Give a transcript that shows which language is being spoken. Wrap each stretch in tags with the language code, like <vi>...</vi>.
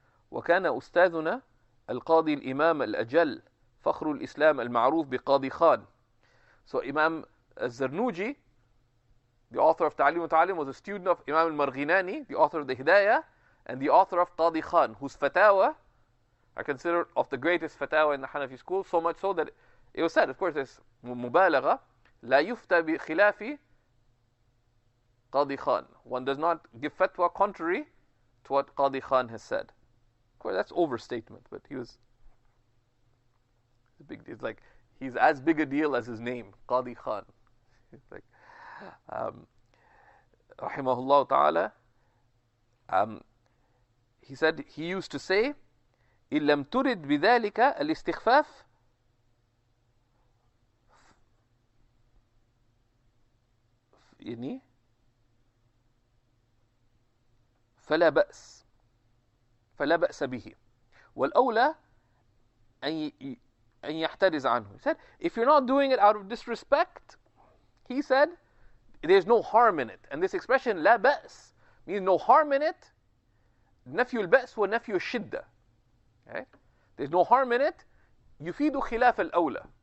<ar>وكان أستاذنا القاضي الإمام الأجل فخر الإسلام المعروف بقاضي خان.</ar> <en>So Imam Zarnuji, the author of Ta'lim wa Ta'lim, was a student of Imam al-Marghinani, the author of the Hidayah, and the author of Qadi Khan, whose fatawa I consider of the greatest fatawa in the Hanafi school, so much so that it was said, of course, it's mubalagha,</en> <ar>la yufta bi khilafi Qadi Khan.</ar> <en>One does not give fatwa contrary to what Qadi Khan has said. Of course, that's overstatement, but he was big. It's like he's as big a deal as his name, Qadi Khan.</en> <ar>Rahimahullah ta'ala,</ar> <en>he said he used to say,</en> <ar>إِنْ لَمْ تُرِدْ بِذَلِكَ الْإِسْتِخْفَافِ فَلَا بَأْسَ بِهِ وَالْأَوْلَى أَنْ يَحْتَرِزْ عَنْهُ.</ar> <en>He said, if you're not doing it out of disrespect, he said, there's no harm in it. And this expression,</en> <ar>لَا بَأْس,</ar> <en>means no harm in it.</en> <ar>نَفْيُ الْبَأْس وَنَفْيُ الشِّدَّة.</ar> <en>Right? There's no harm in it.</en> <ar>يُفِيدُ خِلَافَ الْأَوْلَى.</ar>